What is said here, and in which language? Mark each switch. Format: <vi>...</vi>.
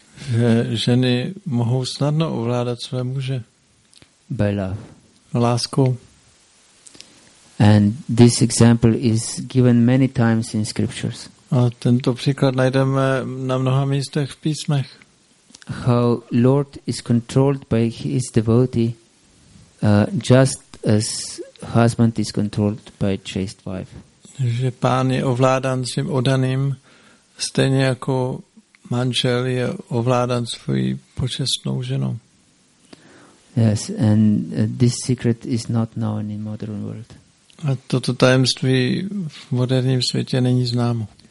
<cs>Že ženy mohou snadno ovládat své muže.</cs> <en>By love.</en> <cs>Láskou.</cs> <en>And this example is given many times in scriptures.</en> <cs>A tento příklad najdeme na mnoha místech v písmech.</cs> <en>How Lord is controlled by his devotee, just as husband is controlled by chaste wife.</en> <cs>Že pán je ovládán svým oddaným, stejně jako manžel je ovládán svou počestnou ženou.</cs> <en>Yes, and this secret is not known in modern world.</en> <cs>A toto tajemství v moderním světě není známo.</cs>